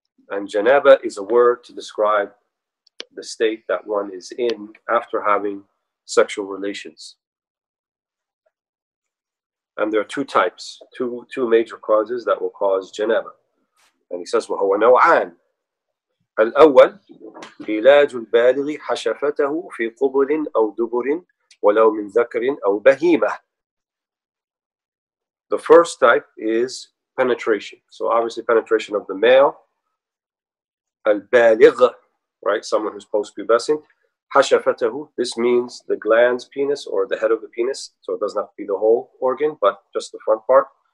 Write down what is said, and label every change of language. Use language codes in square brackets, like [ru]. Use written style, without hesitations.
[en] And janaba is a word to describe the state that one is in after having sexual relations. And there are two types, two major causes that will cause janaba. And he says, [ar] wa huwa naw'an. الأول علاج البالغ حشفته في قبل أو دبر ولو من ذكر أو بهيمة. [en] The first type is penetration. So obviously penetration of the male. البالغ, right? Someone who's post-pubescent. حشفته, this means the glands, penis, or the head of the penis. So it doesn't have to be the whole organ, but just the front part.